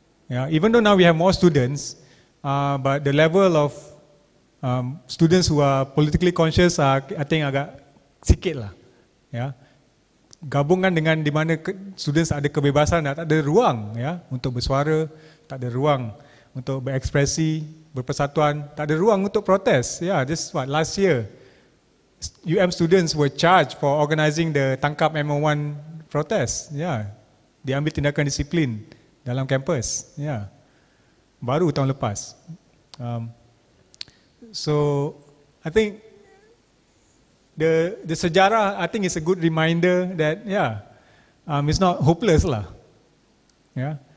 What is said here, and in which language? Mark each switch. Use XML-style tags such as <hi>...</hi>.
<en>Yeah, even though now we have more students, but the level of students who are politically conscious I think</en> <ms>agak sikit lah.</ms> <en>Yeah.</en> <ms>Gabungan dengan di mana students ada kebebasan, tak ada ruang, yeah, untuk bersuara, tak ada ruang untuk berekspresi, berpersatuan, tak ada ruang untuk protes.</ms> <en>Yeah, this is what last year UM students were charged for organizing the tangkap MO1 protest.</en> <ms>Yeah. Diambil tindakan disiplin dalam kampus. Yeah. Baru tahun lepas.</ms> <en>So I think the sejarah, I think it's a good reminder that it's not hopeless lah. Yeah.</en>